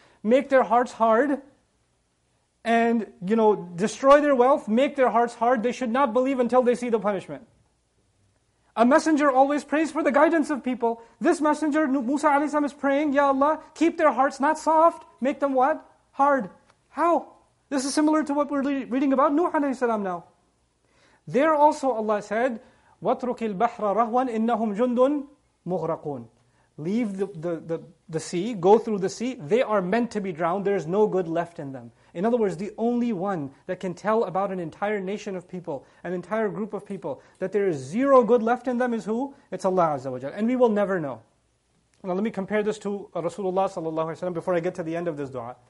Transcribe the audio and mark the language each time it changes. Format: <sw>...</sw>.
<en>Make their hearts hard, and you know, destroy their wealth, make their hearts hard, they should not believe until they see the punishment. A messenger always prays for the guidance of people. This messenger, Musa alayhi salam, is praying, Ya Allah, keep their hearts not soft, make them what? Hard. How? This is similar to what we're reading about Nuh alayhi salam now. There also Allah said,</en> <ar>وَاتْرُكِ الْبَحْرَ رَهْوًا إِنَّهُمْ جُنْدٌ مُغْرَقُونَ.</ar> <en>Leave the sea, go through the sea, they are meant to be drowned, there is no good left in them. In other words, the only one that can tell about an entire nation of people, an entire group of people, that there is zero good left in them is who? It's Allah Azza wa Jal. And we will never know. Now let me compare this to Rasulullah sallallahu alayhi wa sallam before I get to the end of this dua.</en>